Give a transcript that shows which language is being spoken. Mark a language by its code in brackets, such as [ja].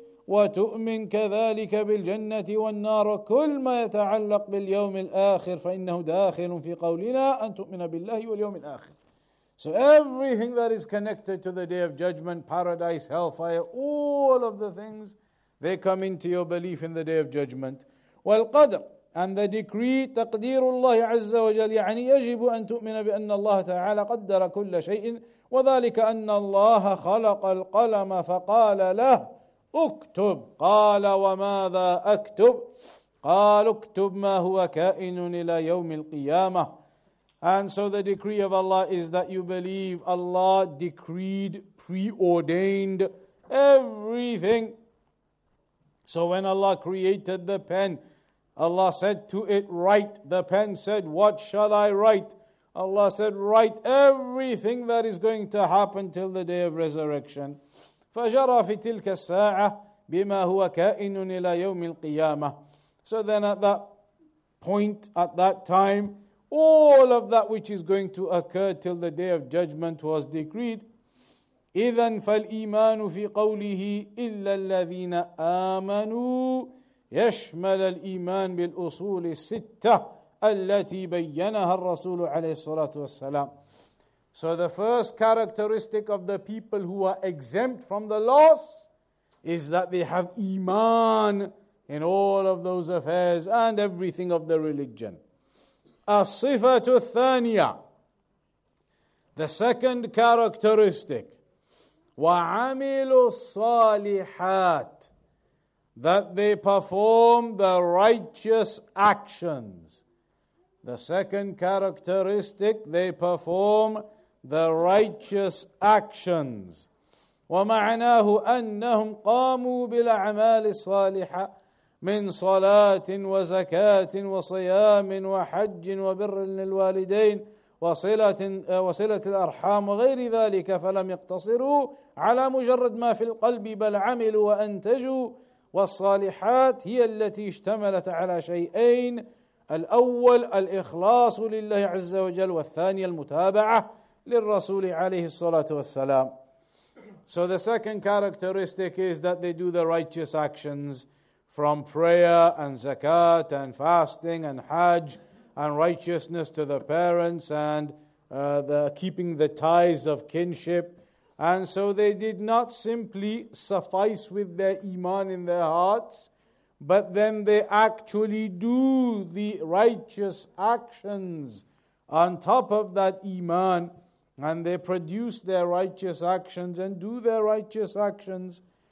[ar] وَتُؤْمِنْ كَذَلِكَ بِالْجَنَّةِ وَالنَّارَ كُلْ مَا يَتَعَلَّقْ بِالْيَوْمِ الْآخِرِ فَإِنَّهُ دَاخِلٌ فِي قَوْلِنَا أَن تُؤْمِنَ بِاللَّهِ وَالْيَوْمِ الْآخِرِ. [en] So everything that is connected to the day of judgment, paradise, hellfire, all of the things, they come into your belief in the day of judgment. [ar] والقدر [en] and the decree [ar] تقدير الله عز وجل يعني يجب أن تؤمن بأن الله تعالى قدر كل شيء وذلك أن الله خلق القلم فقال له اكتب قال وماذا أكتب قال اكتب ما هو كائن إلى يوم القيامة. [en] And so the decree of Allah is that you believe Allah decreed, preordained everything. So when Allah created the pen, Allah said to it, write. The pen said, what shall I write? Allah said, write everything that is going to happen till the day of resurrection. [ar] فَجَرَى فِي تِلْكَ السَّاعَةِ بِمَا هُوَ كَائِنٌ إِلَى يَوْمِ الْقِيَامَةِ. [en] So then at that point, at that time, all of that which is going to occur till the day of judgment was decreed. [ar] إِذَنْ فَالْإِيمَانُ فِي قَوْلِهِ إِلَّا الَّذِينَ آمَنُوا يشمل الإيمان بالأصول الستة التي بينها الرسول عليه الصلاة والسلام. [en] So the first characteristic of the people who are exempt from the laws is that they have iman in all of those affairs and everything of the religion. [ar] الصفة الثانية, [en] the second characteristic, [ar] وعمل الصالحات, [en] that they perform the righteous actions. The second characteristic, they perform the righteous actions. [ar] ومعناه أنهم قاموا بالأعمال الصالحة من صلاة وزكاة وصيام وحج وبر للوالدين وصلة الأرحام وغير ذلك فلم يقتصروا على مجرد ما في القلب بل عملوا وأنتجوا والصالحات هي التي اشتملت على شيئين الأول الإخلاص لله عز وجل والثاني المتابعة للرسول عليه الصلاة والسلام. [en] So the second characteristic is that they do the righteous actions from prayer and zakat and fasting and hajj and righteousness to the parents and the keeping the ties of kinship. And so they did not simply suffice with their iman in their hearts, but then they actually do the righteous actions on top of that iman, and they produce their righteous actions and do their righteous actions.